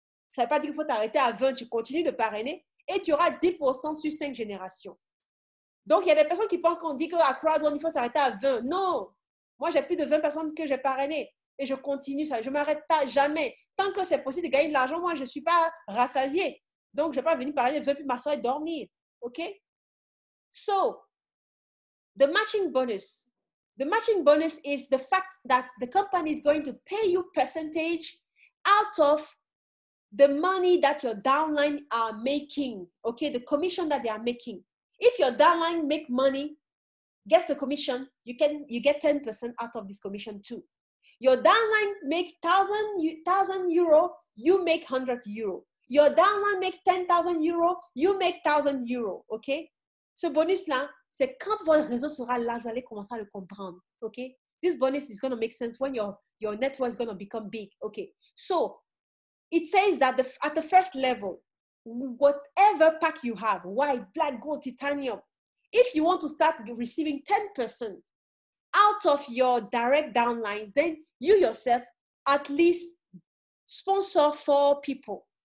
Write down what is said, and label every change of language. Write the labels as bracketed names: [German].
[French] Ça ne veut pas dire qu'il faut t'arrêter à 20, tu continues de parrainer et tu auras 10% sur cinq générations. Donc, il y a des personnes qui pensent qu'on dit qu'à Crowdone, il faut s'arrêter à 20. Non! Moi, j'ai plus de 20 personnes que j'ai parrainées. Et je continue ça. Je ne m'arrête pas jamais. Tant que c'est possible de gagner de l'argent, moi, je ne suis pas rassasiée. Donc, je ne vais pas venir parrainer 20 puis m'asseoir et dormir. OK? [English] So, the matching bonus is the fact that the company is going to pay you percentage out of the money that your downline are making. OK? The commission that they are making. If your downline make money, gets a commission, you get 10% out of this commission too. Your downline makes 1,000 euro, you make 100 euro. Your downline makes 10,000 euros, you make 1,000 euros. OK? [French] Ce bonus-là, c'est quand votre réseau sera là, vous allez commencer à le comprendre. OK? [English] This bonus is going to make sense when your network is going to become big. OK? So, it says that at the first level, whatever pack you have, white, black, gold, titanium, if you want to start receiving 10% out of your direct downlines, then you yourself at least sponsor four people.